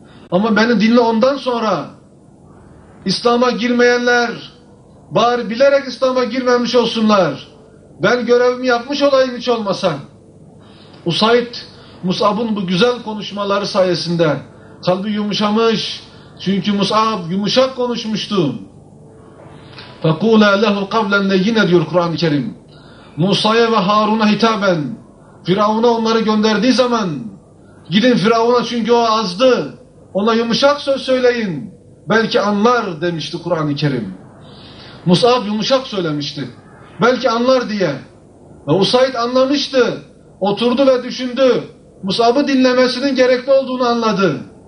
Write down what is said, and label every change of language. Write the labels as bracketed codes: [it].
[tr] Ama beni dinle ondan sonra. İslam'a girmeyenler bari bilerek İslam'a girmemiş olsunlar. Ben görevimi yapmış olayım hiç olmasa. Usayd, Mus'ab'ın bu güzel konuşmaları sayesinde kalbi yumuşamış. Çünkü Mus'ab yumuşak konuşmuştu. [ar] فَقُولَا لَهُ قَبْلًا لَيِّنَ [tr] diyor Kur'an-ı Kerim. Musa'ya ve Harun'a hitaben, Firavun'a onları gönderdiği zaman, gidin Firavun'a çünkü o azdı, ona yumuşak söz söyleyin, belki anlar demişti Kur'an-ı Kerim. Mus'ab yumuşak söylemişti, belki anlar diye. Ve Usayd anlamıştı, oturdu ve düşündü, Mus'ab'ı dinlemesinin gerekli olduğunu anladı.